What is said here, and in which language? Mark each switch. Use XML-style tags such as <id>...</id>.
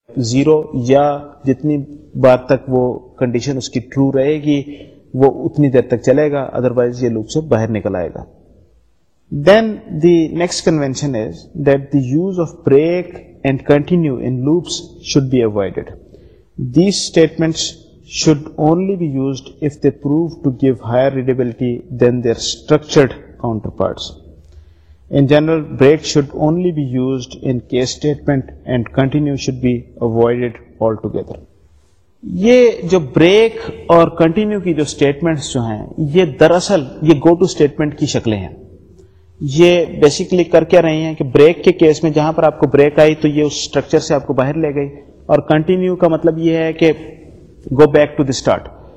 <ur>Zero یا جتنی بار تک وہ کنڈیشن اس کی ٹرو رہے گی وہ اتنی دیر تک چلے گا، ادروائز یہ لوپ سے باہر نکل آئے گا۔</ur> <en>Then the next convention is that the use of break and continue in loops should be avoided. These statements should only be used if they prove to give higher readability than their structured counterparts۔ In general, break should only be used in case statement and continue should be avoided altogether.</en> <ur>یہ جو break اور continue کی جو statements جو ہیں یہ دراصل یہ گو ٹو اسٹیٹمنٹ کی شکلیں ہیں. یہ بیسیکلی کر کے رہی ہیں کہ بریک کے کیس میں جہاں پر آپ کو بریک آئی تو یہ اس اسٹرکچر سے آپ کو باہر لے گئی, اور کنٹینیو کا مطلب یہ ہے کہ</ur> <en>Go back to the start.</en>